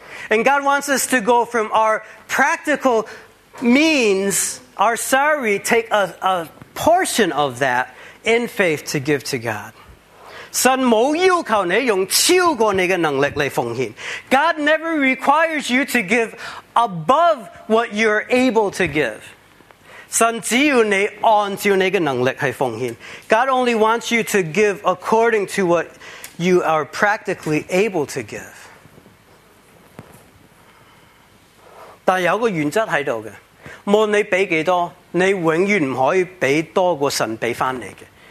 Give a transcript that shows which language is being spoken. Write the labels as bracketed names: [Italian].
[English] And God wants us to go from our practical means, our salary, take a portion of that. In faith to give to God. [Cantonese] 神冇要求你用超过你嘅能力嚟奉献。 [English] God never requires you to give above what you're able to give. [Cantonese] 神只要你按照你嘅能力去奉献。 [English] God only wants you to give according to what you are practically able to give. [Cantonese] 但有个原则喺度嘅，无论你俾几多，你永远唔可以俾多过神俾翻你嘅。